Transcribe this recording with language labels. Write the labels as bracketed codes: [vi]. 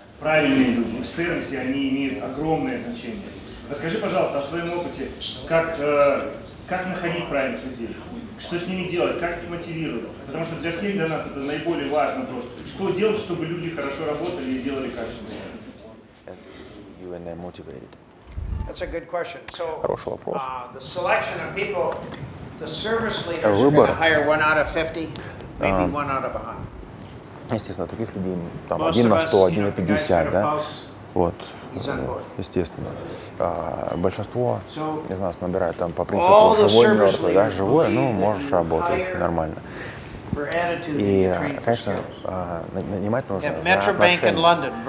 [ru] Правильные люди в сервисе, они имеют огромное значение. Расскажи, пожалуйста, о своем опыте, как находить правильных людей, что с ними делать, как их мотивировать, потому что для всех, для нас это наиболее важный вопрос. Что делать, чтобы люди хорошо работали и делали качественно? [en] you and they're motivated? That's a good question. So, [ru] хороший вопрос. [en] The selection of people, the service leaders are going to hire one out of 50, maybe one out of 100. [ru] Естественно, таких людей там один на 100, один на 50, да? Вот. Естественно. Большинство из нас набирают там по принципу живой, мертвый, да, живой, ну, можешь работать нормально. И, конечно, нанимать нужно за отношения.